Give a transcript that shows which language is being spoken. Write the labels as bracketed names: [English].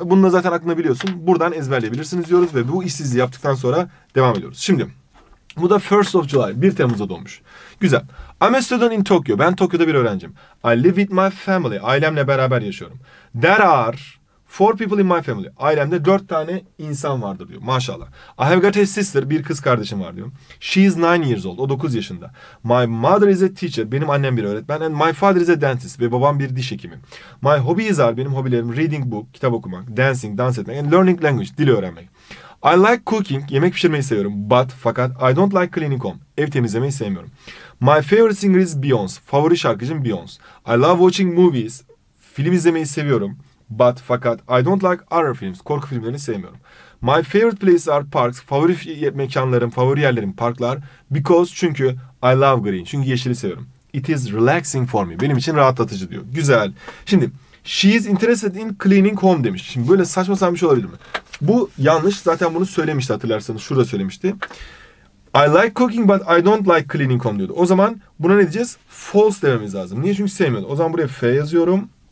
[Turkish] Bunu da zaten aklına biliyorsun. Buradan ezberleyebilirsiniz diyoruz ve bu işsizliği yaptıktan sonra devam ediyoruz. Şimdi bu da 1st of July. 1 Temmuz'da doğmuş. Güzel. [English] I'm a student in Tokyo. [Turkish] Ben Tokyo'da bir öğrencim. [English] I live with my family. [Turkish] Ailemle beraber yaşıyorum. [English] There are 4 people in my family. [Turkish] Ailemde 4 tane insan vardır diyor. Maşallah. [English] I have got a sister. [Turkish] Bir kız kardeşim var diyor. [English] She is 9 years old. [Turkish] O 9 yaşında. [English] My mother is a teacher. [Turkish] Benim annem bir öğretmen. [English] And my father is a dentist. [Turkish] Ve babam bir diş hekimi. [English] My hobbies are. [Turkish] Benim hobilerim reading book. Kitap okumak. Dancing. Dans etmek. [English] And learning language. [Turkish] Dil öğrenmek. [English] I like cooking. [Turkish] Yemek pişirmeyi seviyorum. [English] But. [Turkish] Fakat. [English] I don't like cleaning home. [Turkish] Ev temizlemeyi sevmiyorum. [English] My favorite singer is Beyoncé. [Turkish] Favori şarkıcım Beyoncé. [English] I love watching movies. [Turkish] Film izlemeyi seviyorum. [English] But, [Turkish] fakat, [English] I don't like horror films. [Turkish] Korku filmlerini sevmiyorum. [English] My favorite places are parks. [Turkish] Favori mekanlarım, favori yerlerim parklar. [English] Because, [Turkish] çünkü I love green. Çünkü yeşili seviyorum. [English] It is relaxing for me. [Turkish] Benim için rahatlatıcı diyor. Güzel. Şimdi, [English] she is interested in cleaning home [Turkish] demiş. Şimdi böyle saçma sapan bir şey olabilir mi? Bu yanlış. Zaten bunu söylemişti hatırlarsanız. Şurada söylemişti. [English] I like cooking but I don't like cleaning home [Turkish] diyordu. O zaman buna ne diyeceğiz? False dememiz lazım. Niye? Çünkü sevmiyordu. O zaman buraya F yazıyorum.